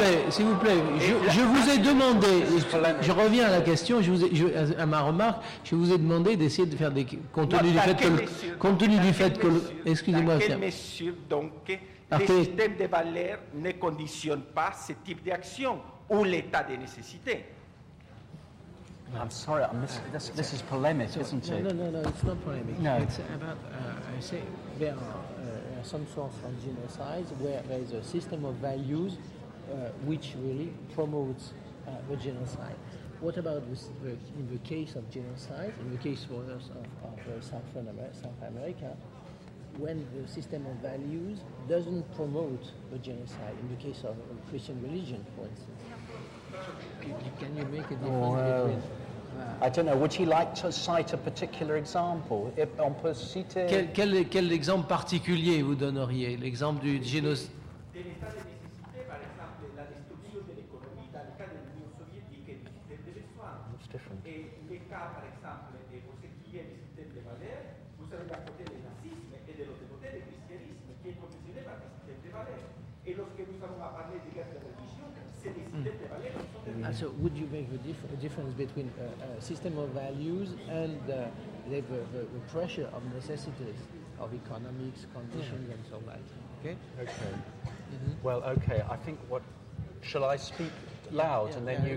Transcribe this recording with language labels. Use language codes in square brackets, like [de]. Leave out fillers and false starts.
[fr] S'il vous plaît, je vous ai demandé, je reviens à la question, à ma remarque, je vous ai demandé d'essayer de faire des... Excusez-moi. Dans quelle mesure, donc, le système de valeurs ne conditionne pas ce type d'action ou l'état de nécessité? [en] I'm sorry, this is polemic, so, isn't it? No, it's not polemic. No. It's about, I say, there are some sorts of genocide where there is a system of values which really promotes the genocide. What about this, in the case of genocide, in the case South America, when the system of values doesn't promote the genocide, in the case of Christian religion, for instance? Can you make a difference between... I don't know. Would he like to cite a particular example? If [fr] on peut citer... Quel exemple particulier vous donneriez? L'exemple du génocide? De l'état de nécessité, par exemple, la destruction de l'économie dans le cas de l'Union soviétique et du système de l'histoire. Et le cas, par exemple, de ce qui est le système de valeurs, vous avez d'un côté le nazisme et de l'autre côté le christianisme qui est conditionné par le système de valeurs. Et lorsque nous avons parlé de guerre de religion, c'est le système de valeurs. [en] So would you make a difference between a system of values and the pressure of necessities of economics, conditions, and so on? Okay. Mm-hmm. Well, okay, I think what... Shall I speak loud and then you...